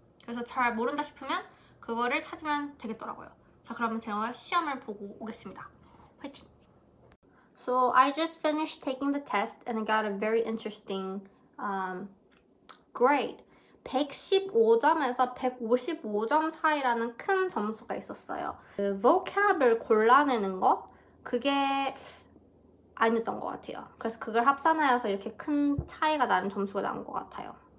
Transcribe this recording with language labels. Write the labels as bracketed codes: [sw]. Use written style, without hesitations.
[ko] 그래서 잘 모른다 싶으면 그거를 찾으면 되겠더라고요. 자, 그러면 제가 시험을 보고 오겠습니다. 화이팅! [en] So I just finished taking the test and I got a very interesting grade. [ko] 115점에서 155점 차이라는 큰 점수가 있었어요. 그 vocab을 골라내는 거? 그게 아니었던 것 같아요. 그래서 그걸 합산하여서 이렇게 큰 차이가 나는 점수가 나온 것 같아요.